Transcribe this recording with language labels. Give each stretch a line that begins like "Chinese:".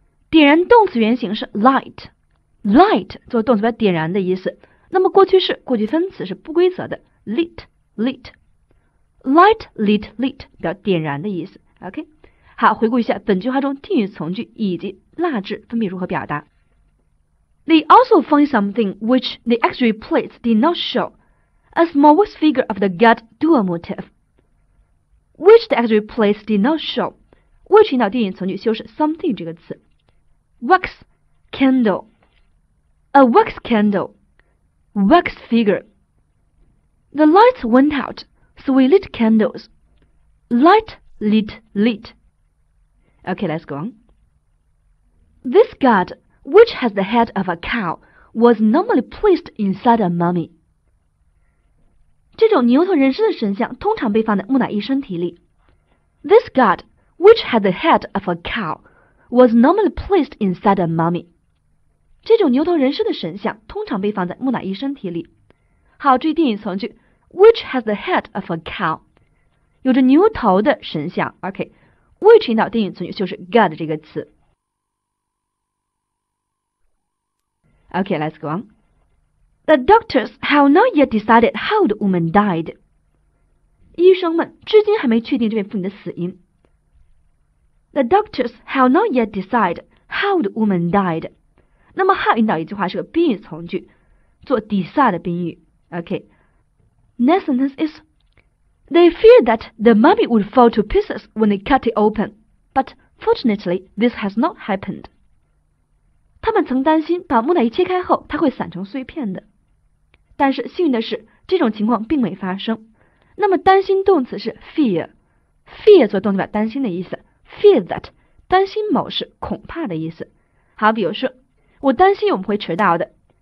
Chinese: 点燃动词原形是 light， light 做动词表点燃的意思。那么过去式、过去分词是不规则的 ，
English: lit，light，lit，lit
Chinese: 表点燃的意思。 OK， 好，回顾一下本句话中定语从句以及蜡制分别如何表达。
English: They also found something which the X-ray plates did not show, a small wax figure of the god Dua motif. Which the X-ray plates did not show, which
Chinese: 引导定语从句修饰
English: something
Chinese: 这个词
English: ，wax candle，a wax candle。Wax figure. The lights went out, so we lit candles. Light, lit, lit. Okay, let's go on. This god, which has the head of a cow, was normally placed inside a mummy.
Chinese: 这种牛头人身的神像通常被放在木乃伊身体里。
English: This god, which had the head of a cow, was normally placed inside a mummy.
Chinese: 这种牛头人身的神像通常被放在木乃伊身体里。好，注意定语从句 ，
English: which has the head of a cow，
Chinese: 有着牛头的神像。OK， which 引导定语从句就是 God 这个词。
English: OK， let's go on. The doctors have not yet decided how the woman died.
Chinese: 医生们至今还没确定这位妇女的死因。
English: The doctors have not yet decided how the woman died.
Chinese: 那么 how 引导一句话是个宾语从句，做 decide 宾语。OK。
English: Next sentence is, they fear that the mummy would fall to pieces when they cut it open, but fortunately this has not happened.
Chinese: 他们曾担心把木乃伊切开后它会散成碎片的，但是幸运的是这种情况并没发生。那么担心动词是 fear，fear 做动词表担心的意思 ，fear that 担心某事恐怕的意思。好，比如说，我担心我们会迟到的